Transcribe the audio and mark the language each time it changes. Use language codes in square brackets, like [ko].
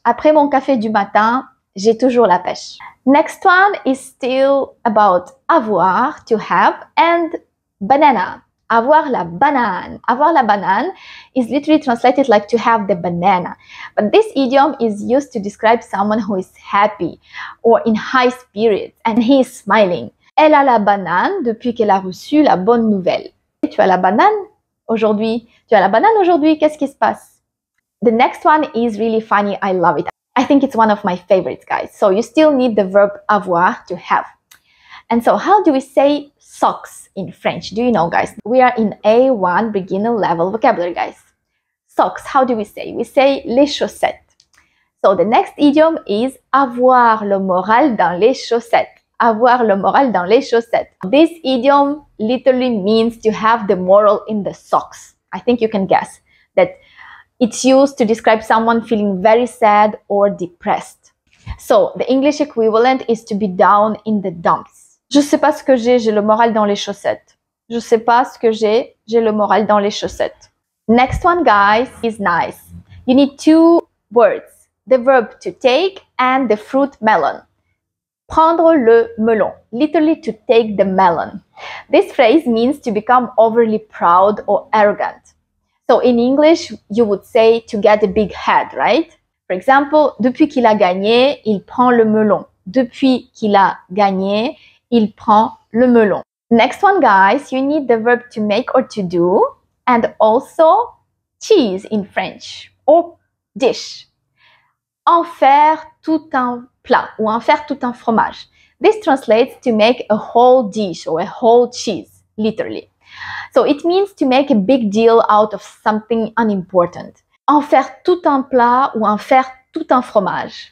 [fr] Après mon café du matin j'ai toujours la pêche. [en] Next one is still about avoir, to have, and banana. [fr] Avoir la banane. [en] Avoir la banane is literally translated like to have the banana. But this idiom is used to describe someone who is happy or in high spirits and he is smiling. [fr] Elle a la banane depuis qu'elle a reçu la bonne nouvelle. Tu as la banane aujourd'hui? Tu as la banane aujourd'hui? Qu'est-ce qui se passe? [en] The next one is really funny. I love it. I think it's one of my favorites, guys. So you still need the verb avoir, to have. And so how do we say socks in French? Do you know, guys? We are in A1 beginner level vocabulary, guys. Socks, how do we say? We say les chaussettes. [fr] So the next idiom is avoir le moral dans les chaussettes. Avoir le moral dans les chaussettes. [en] This idiom literally means to have the moral in the socks. I think you can guess that it's used to describe someone feeling very sad or depressed. So the English equivalent is to be down in the dumps. [fr] Je sais pas ce que j'ai le moral dans les chaussettes. Je sais pas ce que j'ai le moral dans les chaussettes. [en] Next one, guys, is nice. You need two words, the verb to take and the fruit melon. [fr] Prendre le melon, [en] literally to take the melon. This phrase means to become overly proud or arrogant. So in English, you would say to get a big head, right? For example, [fr] depuis qu'il a gagné, il prend le melon. Depuis qu'il a gagné, il prend le melon. [en] Next one, guys, you need the verb to make or to do, and also cheese in French, or dish. [fr] En faire tout un plat, ou en faire tout un fromage. [en] This translates to make a whole dish, or a whole cheese, literally. So it means to make a big deal out of something unimportant. [fr] En faire tout un plat, ou en faire tout un fromage.